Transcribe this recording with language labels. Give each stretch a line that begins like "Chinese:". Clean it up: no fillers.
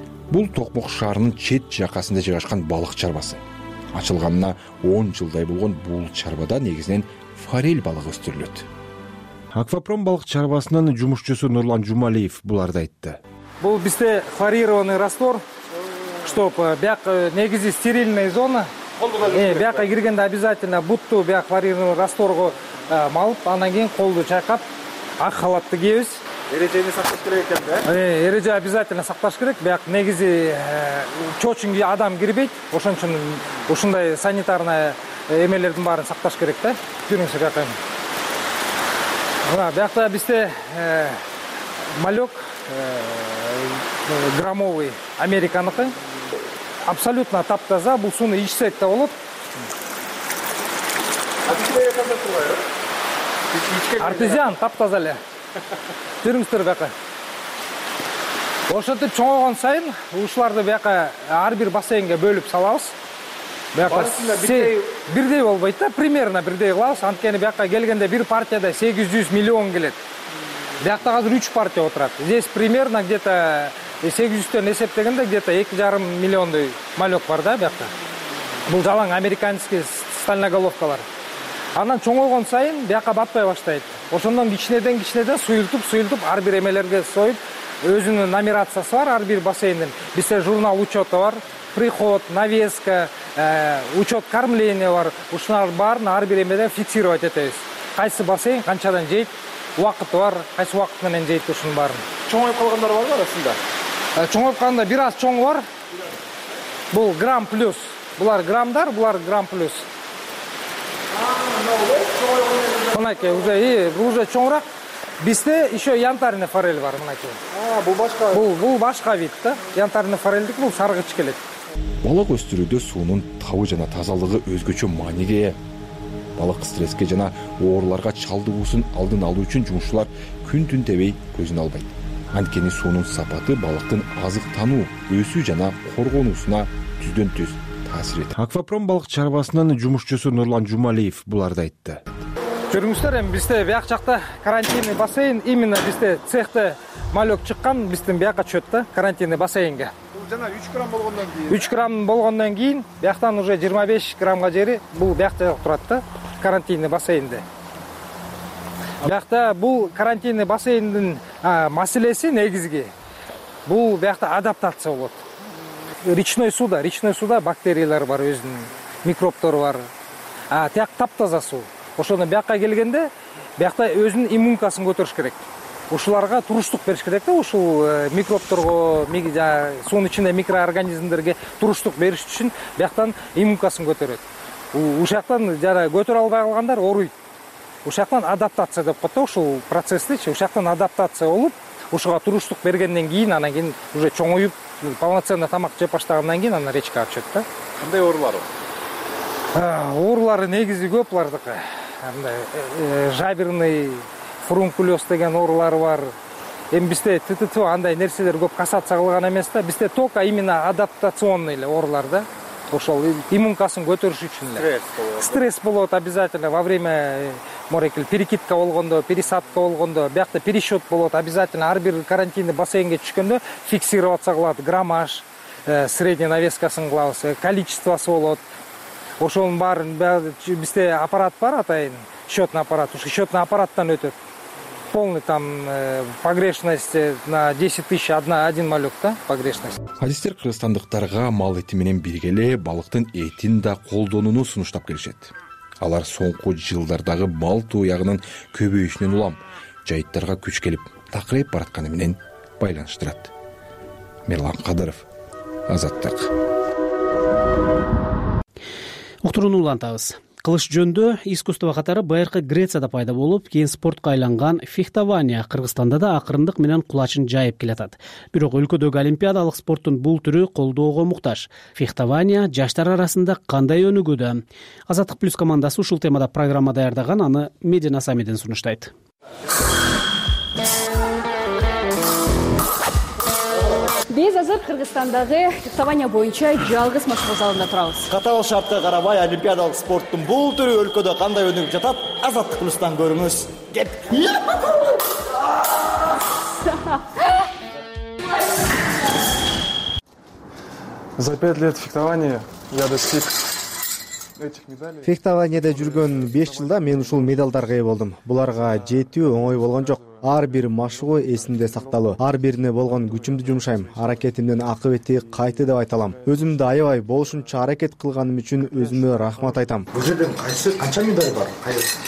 Kyrgyz: Бул Токмок шаарынын чет жакасында жайгашкан балык чарбасы. Ачылганына 10 жылдай болгон бул чарбада негизинен форель балыгы өстүрүлөт. Аквапром балык чарбасынын жумушчусу Нурлан Жумалиев буларды айтты. Бул бизде
Russian: фарированный раствор, чтоб
Kyrgyz: бияк негизи
Russian: стерильная зона.
Kyrgyz: Бияка киргенде
Russian: обязательно
Kyrgyz: бутту бияк фарированный растворго малып, андан кийин колду чайкап, ак халатты кийебиз. Эрежени сакташ керек экен да? Эреже обязательно сакташ керек. Бияк негизи чочуң адам кирбейт. Ошон үчүн ушундай санитарный эмелердин баарын сакташ керек да. Жүрүңүзөр атайын. Биякта бизде малек граммовый американыкы. Абсолютно таптаза. Бул сууну ичсек да болот. Артезиан таптаза эле. Жүрүңүздөр бияка. Ошентип чоңойгон сайын ушуларды бияка ар бир бассейнге бөлүп салабыз. Бияка бирдей болбойт да,
Russian: примерно
Kyrgyz: бирдей кылабыз. Анткени бияка келгенде бир партияда 800 миллион келет. Биякта азыр 3 партия отурат.
Russian: Здесь примерно где-то
Kyrgyz: 800-тен эсептегенде
Russian: где-то
Kyrgyz: 2.5 миллиондой малек бар да бияка. Бул жалаң американский стальноголовкалар. Анан чоңойгон сайын бияка батпай баштайт. Ошондон кичинеден кичинеден суюлтуп ар бир эмелерге союп, өзүнүн нумерациясы бар ар бир бассейндин. Бизде
Russian: журнал учету
Kyrgyz: бар,
Russian: приход, навеска, учет кормления
Kyrgyz: бар. Ушунун баарын ар бир эмеден
Russian: фиксировать
Kyrgyz: этебиз. Кайсы бассейн канчадан жейт, убакыты бар, кайсы убакыт менен жейт ушунун баарын. Чоңоюп калгандар барбы арасында? Чоңоюп калганда бир аз чоң бар. Бул грамм плюс. Булар граммдар, булар грамм плюс. Мынакей
Russian: уже
Kyrgyz: чоңураак. Бизде
Russian: еще янтарный
Kyrgyz: форель бар мынакей. Бул башка вид да. Янтарный форельдик, бул саргыч келет. Балык өстүрүүдө суунун табы жана тазалыгы өзгөчө мааниге ээ. Балык стресске жана ооруларга чалдыгуусун алдын алуу үчүн жумушчулар күн түн тебей көзүн албайт. Анткени суунун сапаты балыктын азыктануу, өсүү жана коргонуусуна түздөн түз таасир этет. Аквапром балык чарбасынын жумушчусу Нурлан Жумалиев буларды айтты. Көрүңүздөр, эми бизде бияк жакта карантинный бассейн,
Russian: именно
Kyrgyz: бизде цехте малек чыккан, биздин бияка түшөт да карантинный бассейнге. Жана 3 грамм болгондон кийин. 3 грамм болгондон кийин бияктан
Russian: уже
Kyrgyz: 25 граммга жери бул биякта турат да, карантинный бассейнде. Биякта бул карантинный бассейндин маселеси негизги. Бул биякта адаптация болот. Речной сууда, речной сууда бактериялар бар, өзүнүн микробтору бар. Тияк таптаза суу. Ошондо биякка келгенде биякта өзүнүн иммункасын көтөрүш керек. Ушуларга туруштук бериш керек да, ушул микробторго, суунун ичинде микроорганизмдерге туруштук бериш үчүн бияктан иммункасын көтөрөт. Ушактан жана көтөрө албай калгандар ооруйт. Ушактан адаптация деп коет да, ушул процесстичи, ушактан адаптация болуп, ушуга туруштук бергенден кийин, анан кийин
Russian: уже
Kyrgyz: чоңоюп,
Russian: полноценно
Kyrgyz: тамак жеп баштагандан кийин анан речка ачат да. Кандай оорулар бар? Оорулары негизи көп булардыкы. Мындай жаберный фурункулез деген оорулары бар. Эми бизде ТТТ андай нерселер көп касаться кылган эмес да, бизде
Russian: только именно адаптационный
Kyrgyz: эле оорулар да. Ошол иммункасын көтөрүш үчүн эле. Стресс болот
Russian: обязательно во время
Kyrgyz: морекиль перекидка болгондо, пересадка болгондо, биякта пересчет болот
Russian: обязательно.
Kyrgyz: Ар бир карантинный бассейнге түшкөндө фиксироваться кылат, граммаж,
Russian: средняя
Kyrgyz: навескасын кылабыз, количествосу болот. Ошонун баарын бизде аппарат бар атайын, счетный аппарат. Ушу счетный аппараттан өтөт.
Russian: Полный там погрешность на 10 000 один малек
Kyrgyz: да
Russian: погрешность.
Kyrgyz: Хадистер кыргызстандыктарга мал эти менен бирге эле балыктын этин да колдонууну сунуштап келишет. Алар соңку жылдардагы мал тууягынын көбөйүшүнөн улам жайыттарга күч келип такырайып баратканы менен байланыштырат. Мерлан Кадыров, Азаттык. Уктурууну улантабыз. Кылыч жөндө искусство катары байыркы Грецияда пайда болуп, кийин спортко айланган фехтование Кыргызстанда да акырындык менен кулачын жайып келатат. Бирок өлкөдөгү олимпиадалык спорттун бул түрү колдоого муктаж. Фехтование жаштар арасында кандай өнүгүүдө? Азаттык Плюс командасы ушул темада программа даярдаган, аны Медина Самиден сунуштайт. Биз азыр Кыргызстандагы фехтование боюнча жалгыз машыгуу залында турабыз. Катаал шартка карабай олимпиадалык спорттун бул түрү өлкөдө кандай өнүгүп жатат? Азаттык Плюстан көрүңүз. Кет.
Russian: За 5 лет фехтования я достиг
Kyrgyz: Фехтованияда жүргөн 5 жылда мен ушул медалдарга ээ болдум. Буларга жетүү оңой болгон жок. Ар бир машыгуу эсимде сакталуу. Ар бирине болгон күчүмдү жумшайм. Аракетимдин акыбети кайтты деп айта алам. Өзүмдү аябай болушунча аракет кылганым үчүн өзүмө рахмат айтам. Бул жерден кайсы канча медаль бар? Кайсы?